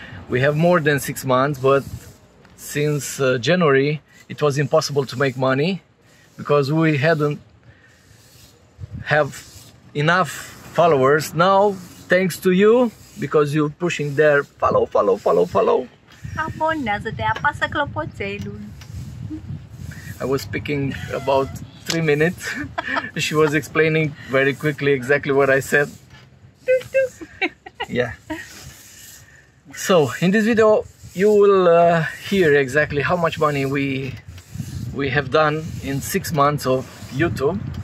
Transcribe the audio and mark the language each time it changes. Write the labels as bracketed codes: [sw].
[en] We have more than 6 months, but since January it was impossible to make money because we hadn't have enough followers. Now, thanks to you, because you're pushing there, follow, follow, follow, follow. [ro] Abonează-te, apasă clopoțelul. [en] I was speaking about 3 minutes. She was explaining very quickly exactly what I said. Yeah. So, in this video, you will hear exactly how much money we have done in 6 months of YouTube.